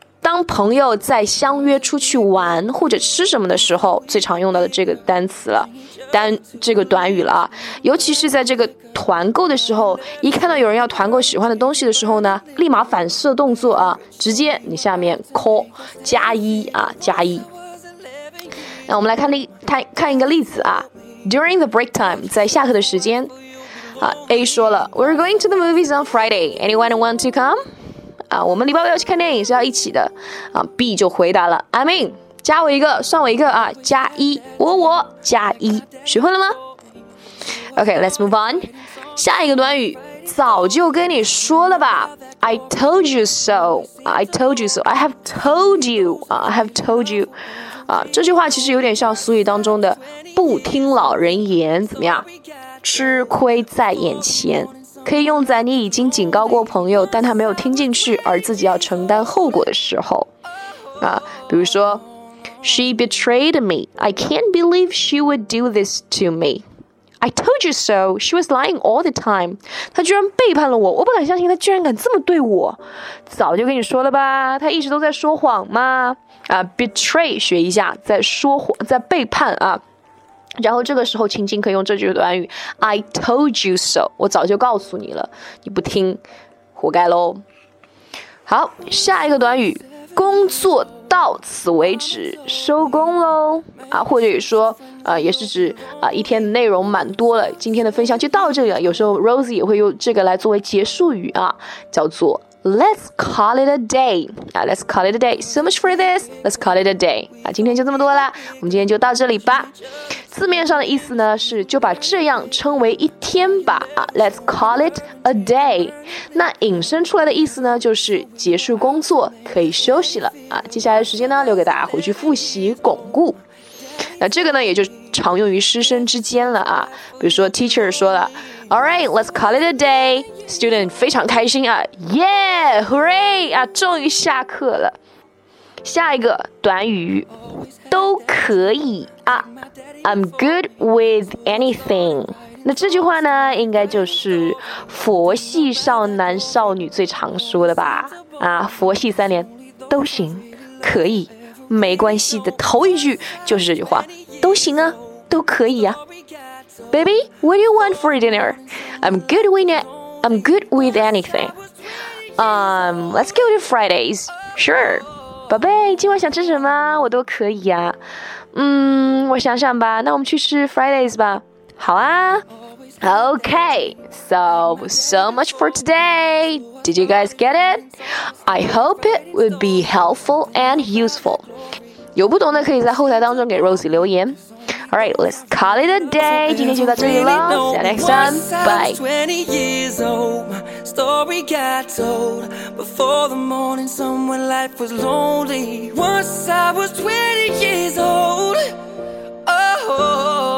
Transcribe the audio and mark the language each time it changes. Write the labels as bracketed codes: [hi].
[zh] 当朋友在相约出去玩或者吃什么的时候，最常用到的这个单词了，这个短语了啊。尤其是在这个团购的时候，一看到有人要团购喜欢的东西的时候呢，立马反射动作啊，直接你下面 call 加一啊，加一。那我们来看一个例子啊。 [en] During the break time， [zh] 在下课的时间啊， [en] A 说了 We're going to the movies on Friday. Anyone want to come? [zh] 我们礼拜五要去看电影，是要一起的啊。B 就回答了 ， [en] I'm in， [zh] 加我一个，算我一个啊，加一，我加一，学会了吗 ？ [en] OK，let's、okay, move on。 [zh] 下一个短语，早就跟你说了吧 ， [en] I told you so， I told you [zh] so， I have told you， I have told you， 这句话其实有点像俗语当中的不听老人言，怎么样？吃亏在眼前。可以用在你已经警告过朋友但他没有听进去而自己要承担后果的时候啊，比如说 [en] She betrayed me. I can't believe she would do this to me. I told you so. She was lying all the time. [zh] 她居然背叛了我，我不敢相信她居然敢这么对我。早就跟你说了吧，她一直都在说谎嘛。 Betray 学一下，在说谎，在背叛啊。然后这个时候情景可以用这句短语 [en] I told you so， [zh] 我早就告诉你了，你不听活该咯。好，下一个短语，工作到此为止，收工咯、啊、或者也说、也是指、一天的内容蛮多了，今天的分享就到这里了。有时候 Rosie 也会用这个来作为结束语啊，叫做 [en] Let's call it a day、Let's call it a day. So much for this. Let's call it a day、 [zh] 今天就这么多了，我们今天就到这里吧。字面上的意思呢是就把这样称为一天吧、 [en] Let's call it a day。 [zh] 那引申出来的意思呢就是结束工作可以休息了、接下来的时间呢留给大家回去复习巩固。那这个呢也就常用于师生之间了、比如说 teacher 说了 [en] Alright, let's call it a day. [zh] Student 非常开心、 [en] Yeah, hooray、 [zh] 终于下课了。下一个短语都可以啊。 [en] I'm good with anything. [zh] 那这句话呢应该就是佛系少男少女最常说的吧。佛系三连都行可以没关系的头一句就是这句话，都行啊，都可以啊。 [en] Baby, what do you want for dinner? I'm good with anything. Let's go to Fridays. Sure. [zh] 宝贝今晚想吃什么我都可以啊。我想想吧，那我们去吃 Fridays 吧。好啊。 [en] Okay, so much for today. Did you guys get it? I hope it would be helpful and useful. [zh] 有不懂的可以在后台当中给 Rosie 留言。 [en] Alright, let's call it a day. [zh] 今天就到这里了。 [en] See you next time, bye. 20 years old, my story got told. Before the morning sun when life was lonely. Once I was 20 years old. Oh